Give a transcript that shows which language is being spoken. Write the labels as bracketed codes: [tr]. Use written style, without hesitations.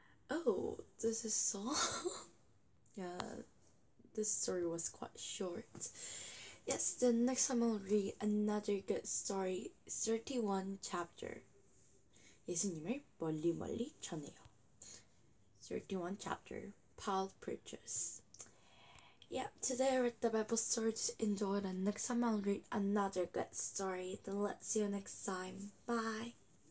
[en] Oh, this is so. Yeah, this story was quite short. Yes, then next time I'll read another good story, 31 chapter. [ko] 예수님을 멀리 멀리 전해요. [en] 31 chapter, Paul preaches. Yeah, today I read the Bible story to enjoy it, and next time I'll read another good story. Then let's see you next time. Bye.